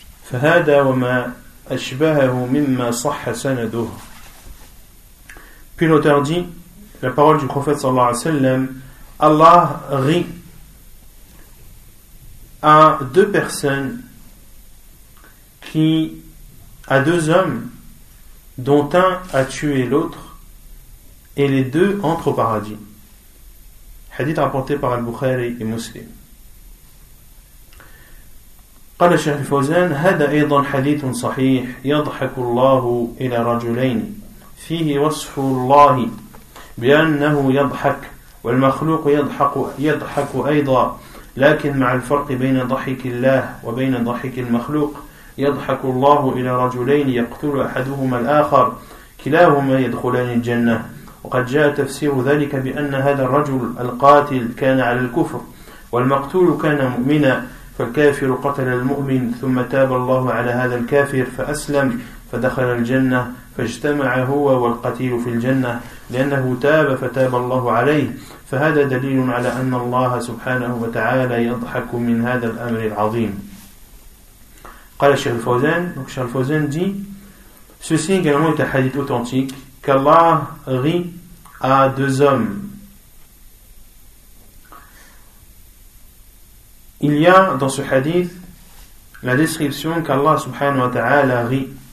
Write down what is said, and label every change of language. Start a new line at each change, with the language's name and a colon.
Arabic: فهذا وما أشبهه مما صح سنده.
French: Puis l'auteur dit, la parole du prophète sallallahu alayhi wa sallam, Allah rit à deux personnes qui, à deux hommes dont un a tué l'autre et les deux entrent au paradis. Hadith rapporté par Al-Bukhari et Muslim.
Arabic: قال الشيخ الفوزان هذا أيضا حديث صحيح يضحك الله إلى رجلين فيه وصف الله بأنه يضحك والمخلوق يضحك أيضا لكن مع الفرق بين ضحك الله وبين ضحك المخلوق يضحك الله إلى رجلين يقتل أحدهما الآخر كلاهما يدخلان الجنة وقد جاء تفسير ذلك بأن هذا الرجل القاتل كان على الكفر والمقتول كان مؤمنا فالكافر قتل المؤمن ثم تاب الله على هذا الكافر فأسلم فدخل الجنة فاجتمع هو والقتيل في الجنة لأنه تاب فتاب الله عليه فهذا دليل على أن الله سبحانه وتعالى يضحك من هذا الأمر العظيم. قال الشيخ الفوزان
French: donc الشيخ الفوزان dit ceci également est un hadith authentique qu'Allah rit à deux hommes. Il y a dans ce hadith la description qu'Allah subhanahu wa ta'ala rit.